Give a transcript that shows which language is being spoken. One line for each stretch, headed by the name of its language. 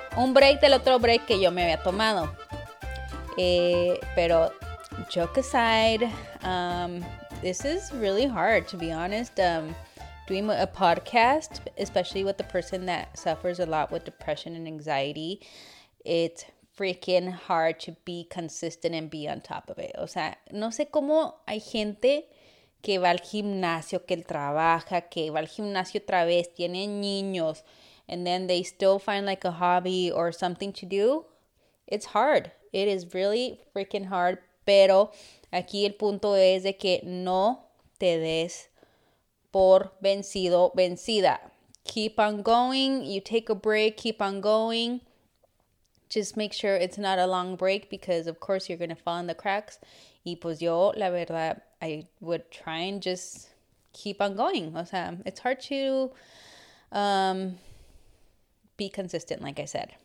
Spanish: Un break del otro break que yo me había tomado.
English: Pero, joke aside, this is really hard, to be honest. Doing a podcast, especially with the person that suffers a lot with depression and anxiety, it's freaking hard to be consistent and be on top of it.
Spanish: O sea, no sé cómo hay gente que va al gimnasio, que él trabaja, que va al gimnasio otra vez, tiene niños,
English: and then they still find like a hobby or something to do. It's hard. It is really freaking hard.
Spanish: Pero aquí el punto es de que no te des por vencido, vencida.
English: Keep on going. You take a break. Keep on going. Just make sure it's not a long break, because of course you're going to fall in the cracks.
Spanish: Y pues yo, la verdad,
English: I would try and just keep on going. O sea, it's hard to be consistent, like I said.